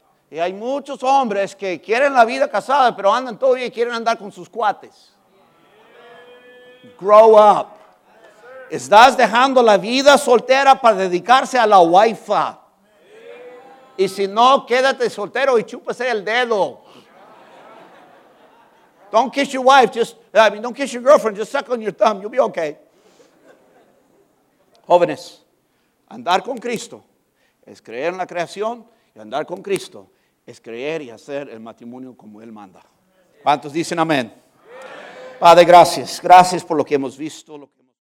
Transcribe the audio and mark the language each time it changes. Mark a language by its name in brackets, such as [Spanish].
[Spanish] Y hay muchos hombres que quieren la vida casada, pero andan todavía y quieren andar con sus cuates. [English] Grow up. [Spanish] Estás dejando la vida soltera para dedicarse a la wife. Y si no, quédate soltero y chúpese el dedo. [English] Don't kiss your wife, don't kiss your girlfriend, just suck on your thumb, you'll be okay. [Spanish] Jóvenes, andar con Cristo es creer en la creación, y andar con Cristo es creer y hacer el matrimonio como Él manda. ¿Cuántos dicen amén? Padre, gracias. Gracias por lo que hemos visto.